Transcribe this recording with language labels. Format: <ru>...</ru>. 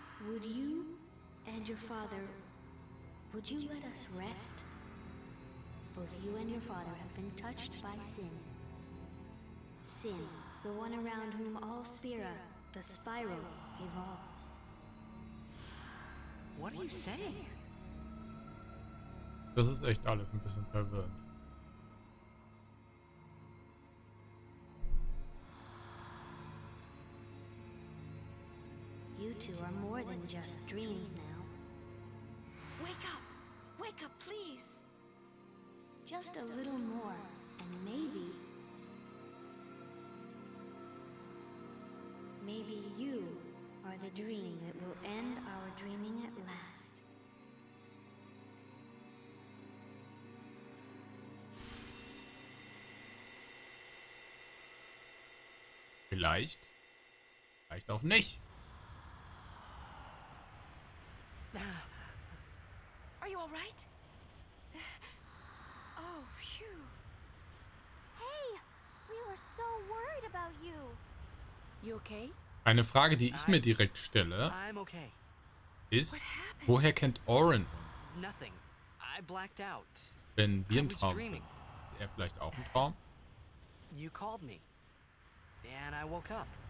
<en>Would you and your father, would you let us rest? Both you and your father have been touched by Sin. Sin, the one around whom all Spira, the Spiral, evolves. What are you saying?</en> <de>Das ist echt alles ein bisschen verwirrend.</de> <en>You two are more than just dreams now. Wake up! Wake up, please! Just a little more, and maybe... Maybe you are the dream that will end our dreaming at last.</en> <de>Vielleicht? Vielleicht auch nicht!</de> <en>Are you all right? Oh, phew. Hey, we were so worried about you. You okay?</en> <de>Eine Frage, die ich mir direkt stelle, ist, woher kennt Orin?</de> <en>Nothing. I blacked out.</en> <de>Wenn wir im Traum sind, ist er vielleicht auch im Traum?</de> <en>You called me. And I woke up.</en>